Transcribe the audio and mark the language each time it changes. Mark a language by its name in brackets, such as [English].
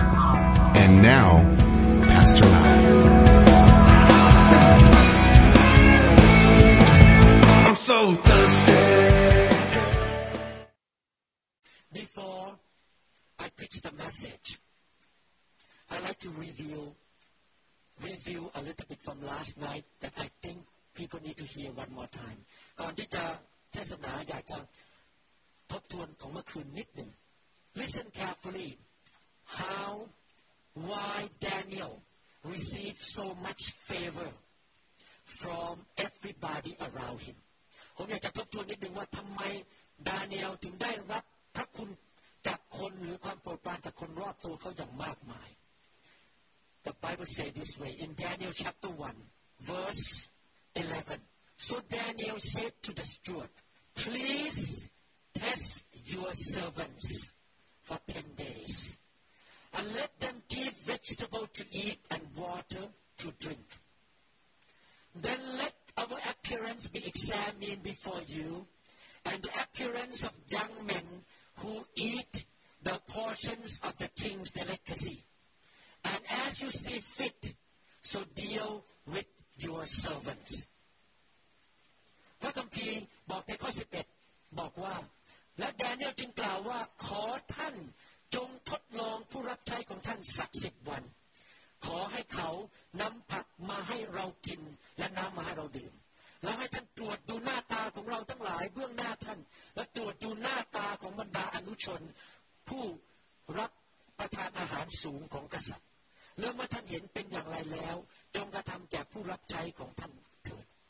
[English] And now, Pastor Lau. I'm so thirsty. Before I preach the message, I'd like to review a little bit from last night that I think people need to hear one more time. [Thai] ก่อนที่จะเทศนาอยากจะทบทวนของเมื่อคืนนิดหนึ่ง [English] Listen carefully why Daniel received so much favor from everybody around him. [Thai] ผมอยากจะทบทวนนิดนึงว่าทำไมดาเนียลถึงได้รับพระคุณจากคนหรือความโปรดปรานจากคนรอบตัวเขาอย่างมากมาย [English] The Bible says this way in Daniel chapter 1, verse 11. So Daniel said to the steward, please test your servants for 10 days and let them give vegetable to eat and water to drink. Then let our appearance be examined before you and the appearance of young men who eat the portions of the king's delicacy. And as you see fit, so deal with your servants. [Thai] พระคัมภีร์บอกในข้อ11บอกว่าและดาเนียลจึงกล่าวว่าขอท่านจงทดลองผู้รับใช้ของท่านสัก10วันขอให้เขานำผักมาให้เรากินและน้ำมาให้เราดื่มแล้วให้ท่านตรวจดูหน้าตาของเราทั้งหลายเบื้องหน้าท่านและตรวจดูหน้าตาของบรรดาอนุชนผู้รับประทานอาหารสูงของกษัตริย์เรื่องเมื่อท่านเห็นเป็นอย่างไรแล้วจงกระทำแก่ผู้รับใช้ของท่านเถิด